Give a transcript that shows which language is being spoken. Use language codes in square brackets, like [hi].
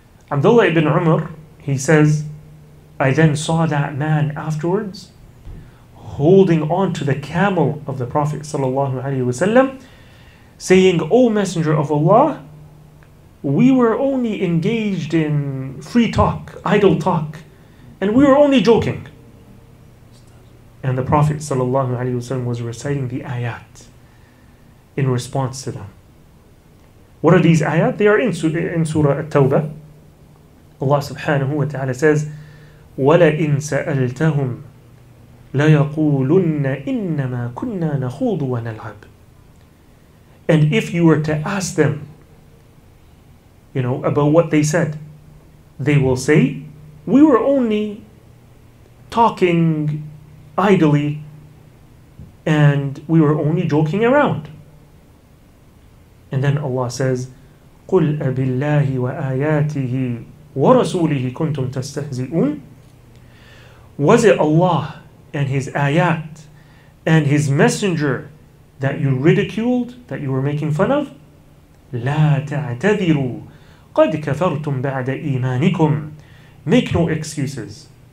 [en] Abdullah ibn Umar, he says, "I then saw that man afterwards holding on to the camel of the Prophet sallallahu alayhi wa sallam, saying, 'O Messenger of Allah, we were only engaged in free talk, idle talk, and we were only joking.'" And the Prophet sallallahu alayhi wa sallam was reciting the ayat in response to them. What are these ayat? They are in Surah At-Tawbah. [ar] Allah subhanahu wa ta'ala says, وَلَئِن سَأَلْتَهُمْ لَيَقُولُنَّ إِنَّمَا كُنَّا نَخُوضُ وَنَلْعَبْ. [en] And if you were to ask them, you know, about what they said, they will say, "We were only talking idly, and we were only joking around." And then Allah says, [ar] "قُلْ أَبِاللَّهِ وَآيَاتِهِ وَرَسُولِهِ كُنْتُمْ تَسْتَهْزِئُونَ." [en] Was it Allah and His ayat and His messenger that you ridiculed, that you were making fun of? [ar] لَا تَعْتَذِرُوا قَدْ كَفَرْتُمْ بَعْدَ إِيمَانِكُمْ. [en] Make no excuses.